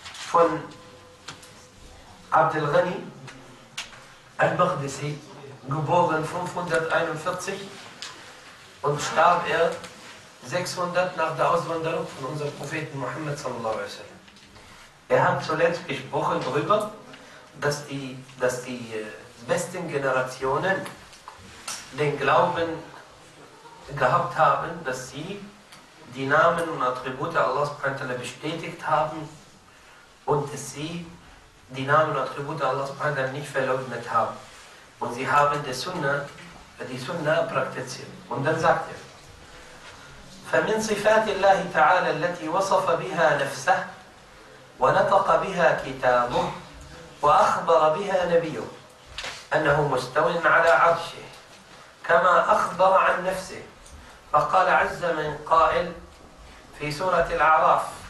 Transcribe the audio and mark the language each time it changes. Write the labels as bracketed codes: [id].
[de] von Abdel Ghani al-Maghdisi, geboren 541 und starb er 600 nach der Auswanderung von unserem Propheten Muhammad sallallahu alaihi wasallam. Er hat zuletzt gesprochen darüber, dass die besten Generationen den Glauben gehabt haben, dass sie die Namen und Attribute Allahs bestätigt haben und dass sie die Namen und Attribute Allahs nicht verleugnet haben. Und sie haben die Sunna praktiziert. Und dann sagt er, [ar] فَمِنْ صِفَاتِ اللَّهِ تَعَالَى الَّتِي وَصَفَ بِهَا نَفْسَهُ وَنَطَقَ بِهَا كِتَابُهُ وَأَخْبَرَ بِهَا نَبِيُّهُ أَنَّهُ مُسْتَوٍ عَلَى عَرْشِهِ كما أخبر عن نفسه فقال عز من قائل في سورة الأعراف